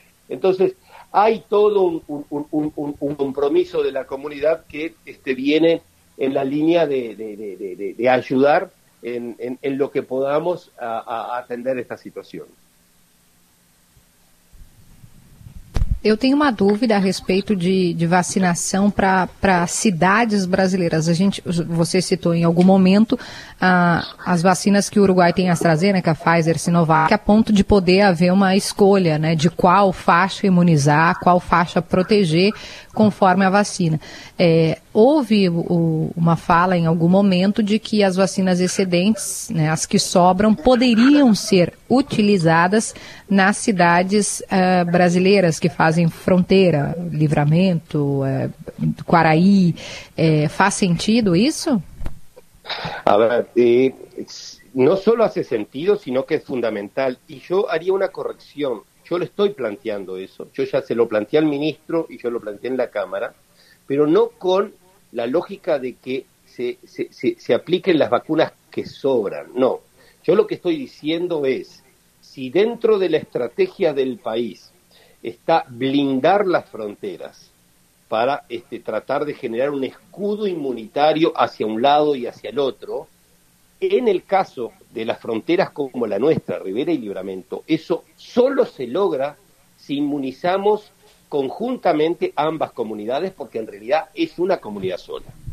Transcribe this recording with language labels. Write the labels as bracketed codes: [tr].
[es] Entonces, hay todo un compromiso de la comunidad que viene en la línea de ayudar en lo que podamos a atender esta situación. [pt] Eu tenho uma dúvida a respeito de vacinação para cidades brasileiras. Você citou em algum momento as vacinas que o Uruguai tem, AstraZeneca, Pfizer, Sinovac, a ponto de poder haver uma escolha, né, de qual faixa imunizar, qual faixa proteger conforme a vacina. Houve uma fala em algum momento de que as vacinas excedentes, né, as que sobram, poderiam ser utilizadas nas cidades brasileiras que fazem fronteira, Livramento, Quaraí. Faz sentido isso? [es] A ver, [pt] não só faz sentido, [es] sino que [pt] é fundamental. E eu faria uma correção. [es] Yo le estoy planteando eso, yo ya se lo planteé al ministro y yo lo planteé en la Cámara, pero no con la lógica de que se apliquen las vacunas que sobran, no. Yo lo que estoy diciendo es, si dentro de la estrategia del país está blindar las fronteras para tratar de generar un escudo inmunitario hacia un lado y hacia el otro, en el caso de las fronteras como la nuestra, Rivera y Libramento, eso solo se logra si inmunizamos conjuntamente ambas comunidades, porque en realidad es una comunidad sola.